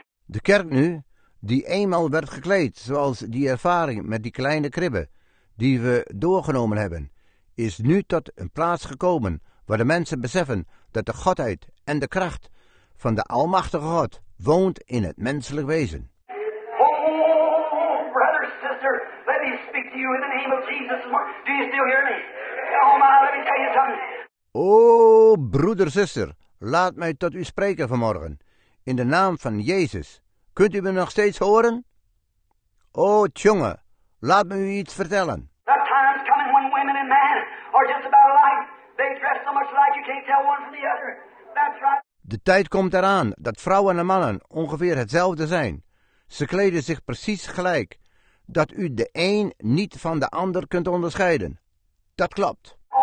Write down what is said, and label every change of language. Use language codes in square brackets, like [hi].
[nl] De kerk nu, die eenmaal werd gekleed, zoals die ervaring met die kleine kribbe, die we doorgenomen hebben, is nu tot een plaats gekomen waar de mensen beseffen dat de Godheid en de kracht van de Almachtige God woont in het menselijk wezen. [en] Oh, brother, sister, let me speak to you in the name of Jesus. Do you still hear me? Oh, my, let me tell you something. [nl] Oh, broeder, zuster, laat mij tot u spreken vanmorgen. In de naam van Jezus. Kunt u me nog steeds horen? Oh, tjonge, laat me u iets vertellen. [en] That time's coming when women and men are just about alike. They dress so much alike you can't tell one from the other. That's right. [nl] De tijd komt eraan dat vrouwen en mannen ongeveer hetzelfde zijn. Ze kleden zich precies gelijk. Dat u de een niet van de ander kunt onderscheiden. Dat klopt.